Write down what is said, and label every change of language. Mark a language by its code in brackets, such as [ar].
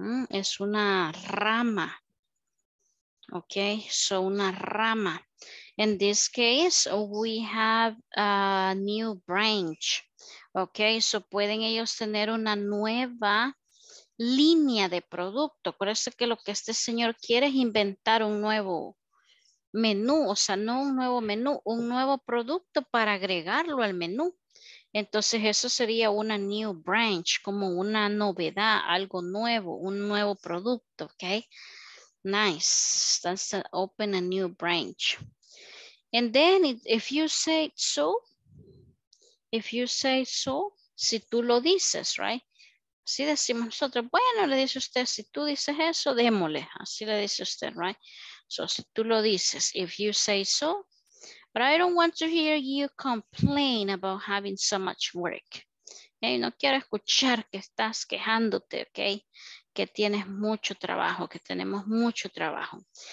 [es] Es una rama. Okay, so una rama. [en] In this case, we have a new branch. [es] Okay, so pueden ellos tener una nueva línea de producto. Acuérdense que lo que este señor quiere es inventar un nuevo menú, o sea, no un nuevo menú, un nuevo producto para agregarlo al menú. Entonces eso sería una [en] new branch, [es] como una novedad, algo nuevo, un nuevo producto, ok. [en] Nice, that's an open a new branch. And then if you say so, if you say so, [es] si tú lo dices, [en] right? [es] Así decimos nosotros, bueno, le dice usted, si tú dices eso, démosle, así le dice usted, right? [en] So [es] si tú lo dices, [en] if you say so, but I don't want to hear you complain about having so much work. [es] Okay? No quiero escuchar que estás quejándote, okay? Que tienes mucho trabajo, que tenemos mucho trabajo.